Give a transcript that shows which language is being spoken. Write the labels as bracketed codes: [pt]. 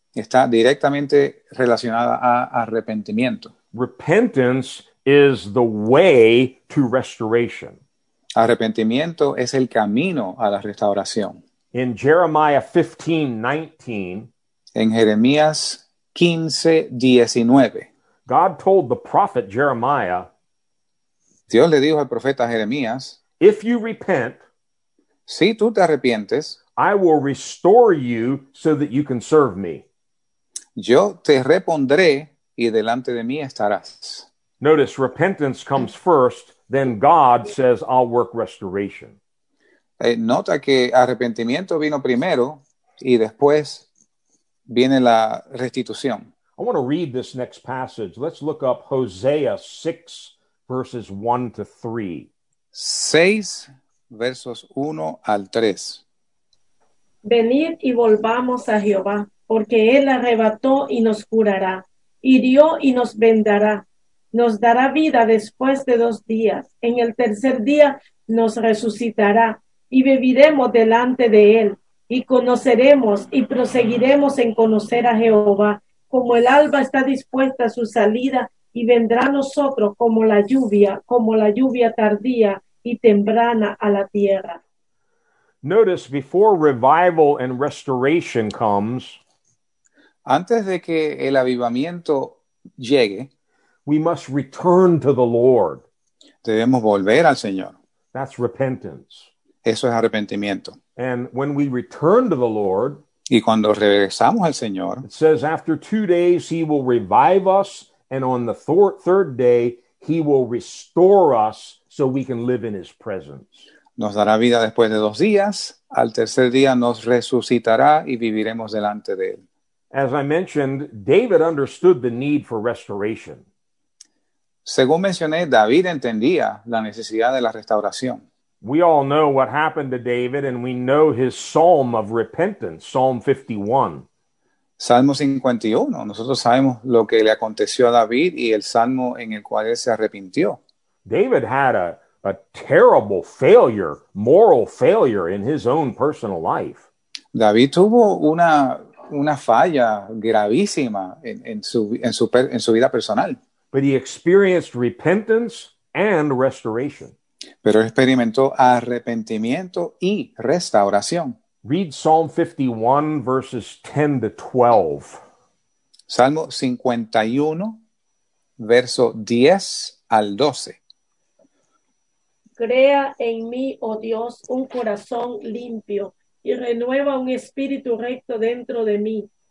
[es] Está directamente relacionada a arrepentimiento. [en] Repentance is the way to restoration. [es] Arrepentimiento es el camino a la restauración. [en] In Jeremiah 15:19, [es] en Jeremías 15:19, [en] God told the prophet Jeremiah, [es] Dios le dijo al profeta Jeremías, [en] if you repent, [es] si tú te arrepientes, [en] I will restore you so that you can serve me. [es] Yo te repondré y delante de mí estarás. [en] Notice, repentance comes first. Then God says, I'll work restoration. [es] Nota que arrepentimiento vino primero y después viene la restitución. [en] I want to read this next passage. Let's look up Hosea 6, verses 1 to 3. [es] 6, versos 1 al 3. Venid y volvamos a Jehová, porque Él arrebató y nos curará, hirió y nos vendará. Nos dará vida después de 2 días. En el tercer día nos resucitará y viviremos delante de él y conoceremos y proseguiremos en conocer a Jehová. como el alba está dispuesta a su salida, y vendrá a nosotros como la lluvia tardía y temprana a la tierra. [en] Notice, before revival and restoration comes, [es] antes de que el avivamiento llegue, [en] we must return to the Lord. [es] Debemos volver al Señor. [en] That's repentance. [es] Eso es arrepentimiento. [en] And when we return to the Lord, [es] y cuando regresamos al Señor, [en] it says, after 2 days, he will revive us, and on the third day, he will restore us so we can live in his presence. [es] Nos dará vida después de 2 días. Al tercer día nos resucitará y viviremos delante de él. [en] As I mentioned, David understood the need for restoration. [es] Según mencioné, David entendía la necesidad de la restauración. [en] We all know what happened to David, and we know his psalm of repentance, Psalm 51. [es] Salmo 51. Nosotros sabemos lo que le aconteció a David y el salmo en el cual él se arrepintió. [en] David had a terrible failure, moral failure in his own personal life. [es] David tuvo una falla gravísima en su vida personal. [en] But he experienced repentance and restoration. [es] Pero experimentó arrepentimiento y restauración. [en] Read Psalm 51, verses 10 to 12. [es] Salmo 51, verso 10 al 12. Crea en mí, oh Dios, un corazón limpio y renueva un espíritu recto dentro de mí.